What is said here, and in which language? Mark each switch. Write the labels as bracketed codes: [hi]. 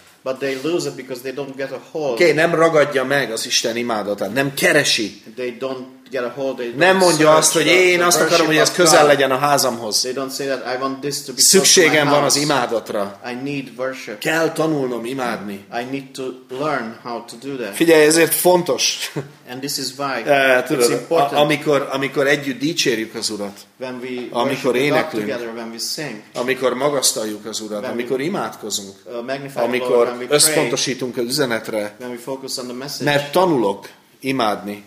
[en] But they lose it because they don't get a hold. [hu] Okay, nem ragadja meg az Isten imádatát, nem keresi. [en] They don't get a hold. They don't [hu] nem mondja azt, hogy én azt akarom, hogy ez közel legyen a házamhoz. [en] They don't say that I want this to be. [hu] Szükségem van az imádatra. [en] I need worship. [hu] Kell tanulnom imádni. [en] I need to learn how to do that. [hu] Figyelj, ezért fontos. [en] And this is why [hu] tudod, [en] it's important. [hu] Amikor együtt dicsérjük az Urat. [en] When we [hu] amikor éneklünk, [en] together, when we sing, [hu] amikor magasztaljuk az Urat, amikor imádkozunk, amikor összpontosítunk az üzenetre, [en] when we focus on the message, [hu] mert tanulok imádni.